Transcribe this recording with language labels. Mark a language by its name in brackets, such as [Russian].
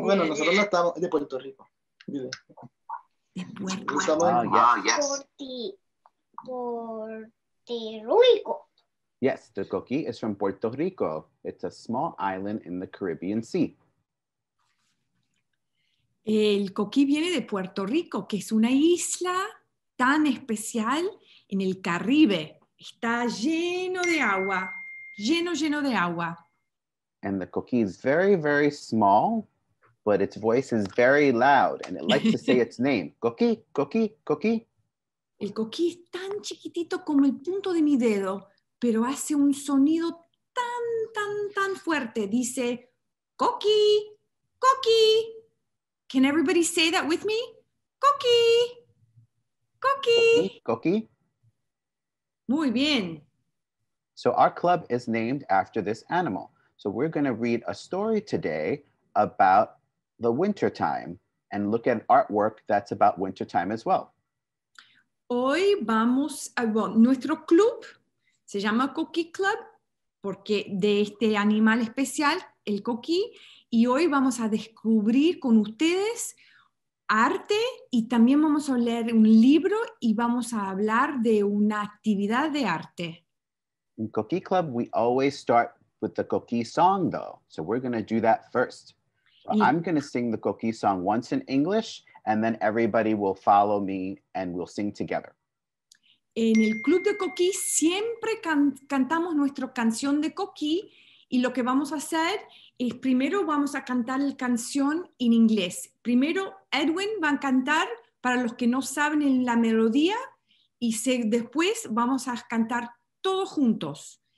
[Spanish] Bueno, nosotros no estamos. De Puerto Rico. Dile. De Puerto Rico. [English] Oh, yes. Puerto Rico. Yes, the coquí is from Puerto Rico. It's a small island in the Caribbean Sea. [Spanish] El coquí viene de Puerto Rico, que es una isla tan especial en el Caribe. Está lleno de agua, lleno de agua. [English] And the coquí is very, very small, but its voice is very loud, and it likes to say its name. Coquí, coquí, coquí. [Spanish] El coquí es tan chiquitito como el punto de mi dedo, pero hace un sonido tan fuerte. Dice, coquí, coquí. [English] Can everybody say that with me? Coquí, coquí. Coquí. [Spanish] Muy bien. [English] So our club is named after this animal. So we're going to read a story today about the winter time and look at artwork that's about winter time as well. [Spanish] Hoy vamos a nuestro club. Se llama Coquí Club porque de este animal especial, el coquí, y hoy vamos a descubrir con ustedes arte y también vamos a leer un libro y vamos a hablar de una actividad de arte. [English] In Coquí Club, we always start with the coquí song though, so we're going to do that first. So I'm going to sing the coquí song once in English and then everybody will follow me and we'll sing together. [Spanish] En el Club de Coquí siempre cantamos nuestra canción de Coquí y lo que vamos a hacer es primero vamos a cantar la canción en inglés. Primero Edwin va a cantar para los que no saben la melodía y después vamos a cantar todos juntos.